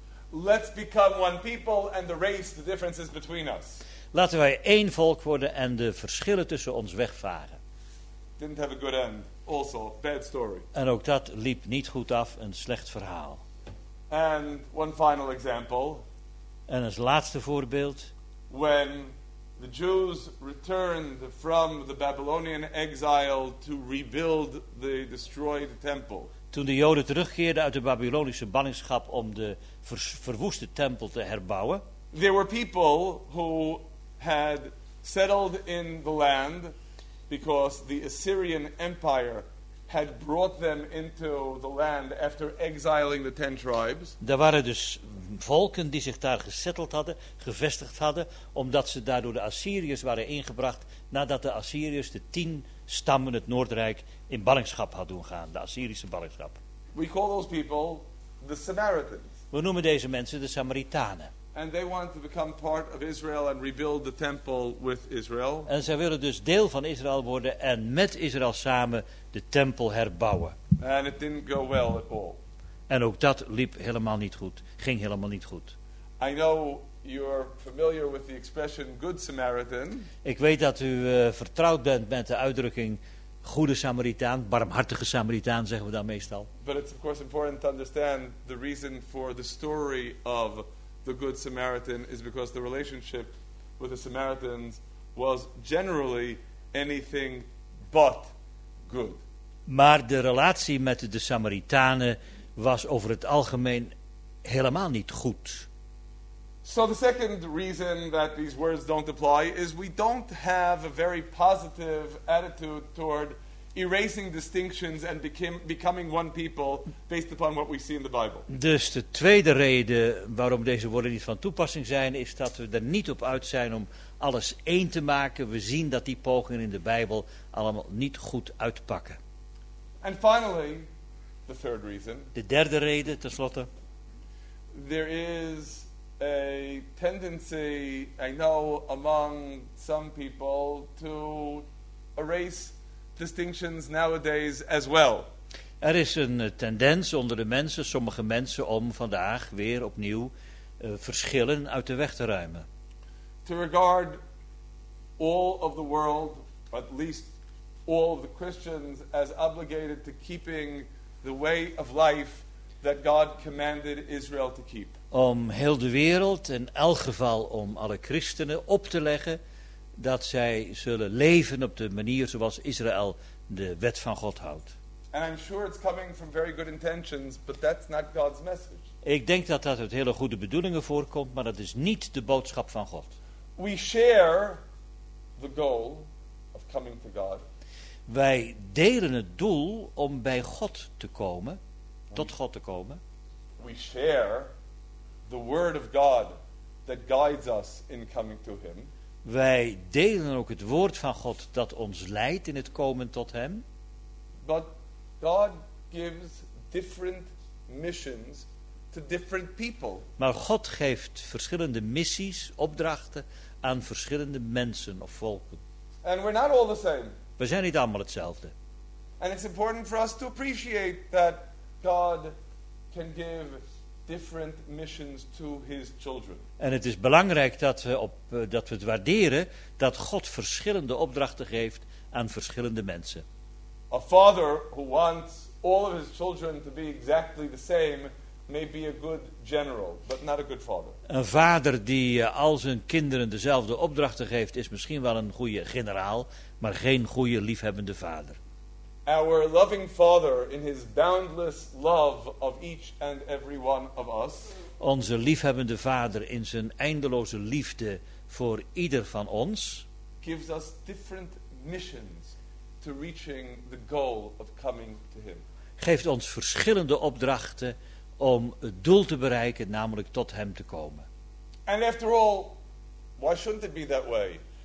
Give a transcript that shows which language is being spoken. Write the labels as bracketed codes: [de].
[en] Let's become one people and erase the differences between us. [nl] Laten wij één volk worden en de verschillen tussen ons wegvaren. [en] Didn't have a good end. Also, bad story. [nl] En ook dat liep niet goed af, een slecht verhaal. [en] And one final example. [nl] En als laatste voorbeeld. [en] When the Jews returned from the Babylonian exile to rebuild the destroyed temple. [nl] Toen de Joden terugkeerden uit de Babylonische ballingschap om de verwoeste tempel te herbouwen. [en] There were people who had settled in the land because the Assyrian Empire had brought them into the land after exiling the ten tribes. [nl] Daar waren dus volken die zich daar gesetteld hadden, gevestigd hadden, omdat ze daardoor de Assyriërs waren ingebracht nadat de Assyriërs de 10 stammen het Noordrijk in ballingschap had doen gaan, de Assyrische ballingschap. [en] We call those people the Samaritans. [nl] We noemen deze mensen de Samaritanen. [en] And they want to become part of Israel and rebuild the temple with Israel. [nl] En zij willen dus deel van Israël worden en met Israël samen de tempel herbouwen. [en] And it didn't go well at all. [nl] En ook dat liep helemaal niet goed. Ging helemaal niet goed. [en] I know you're familiar with the expression good Samaritan. [nl] Ik weet dat u vertrouwd bent met de uitdrukking goede Samaritaan, barmhartige Samaritaan zeggen we dan meestal. [en] But it's of course important to understand the reason for the story of the good Samaritan is because the relationship with the Samaritans was generally anything but good. [nl] Maar de relatie met de Samaritanen was over het algemeen helemaal niet goed. [en] So the second reason that these words don't apply is we don't have a very positive attitude toward erasing distinctions and becoming one people based upon what we see in the Bible. [nl] Dus de tweede reden waarom deze woorden niet van toepassing zijn is dat we er niet op uit zijn om alles één te maken. We zien dat die pogingen in de Bijbel allemaal niet goed uitpakken. [en] And finally, the third reason. [nl] De derde reden tenslotte. [en] There is a tendency, I know, among some people to erase distinctions nowadays as well. [nl] Er is een tendens onder de mensen, sommige mensen, om vandaag weer opnieuw verschillen uit de weg te ruimen. [en] To regard all of the world, at least all of the Christians, as obligated to keeping the way of life that God commanded Israel to keep. [nl] Om heel de wereld, in elk geval om alle christenen, op te leggen dat zij zullen leven op de manier zoals Israël de wet van God houdt. [en] And I'm sure it's coming from very good intentions, but that's not God's message. [nl] Ik denk dat dat uit hele goede bedoelingen voorkomt, maar dat is niet de boodschap van God. [en] We share the goal of coming to God. [nl] Wij delen het doel om bij God te komen, tot God te komen. [en] We share the word of God that guides us in coming to him. [nl] Wij delen ook het woord van God dat ons leidt in het komen tot hem. [en] But God gives different missions to different people. [nl] Maar God geeft verschillende missies, opdrachten aan verschillende mensen of volken. [en] And we're not all the same. [nl] We zijn niet allemaal hetzelfde. [en] And it's important for us to appreciate that God can give different missions to his children. [nl] En het is belangrijk dat we het waarderen dat God verschillende opdrachten geeft aan verschillende mensen. [en] A father who wants all of his children to be exactly the same may be a good general, but not a good father. [nl] Een vader die al zijn kinderen dezelfde opdrachten geeft is misschien wel een goede generaal, maar geen goede liefhebbende vader. [en] Our loving Father in his boundless love of each and every one of us. [nl] Onze liefhebbende Vader in zijn eindeloze liefde voor ieder van ons. [en] Gives us different missions to reaching the goal of coming to him. [nl] Geeft ons verschillende opdrachten om het doel te bereiken, namelijk tot hem te komen. [en] And after all, why shouldn't it be that way?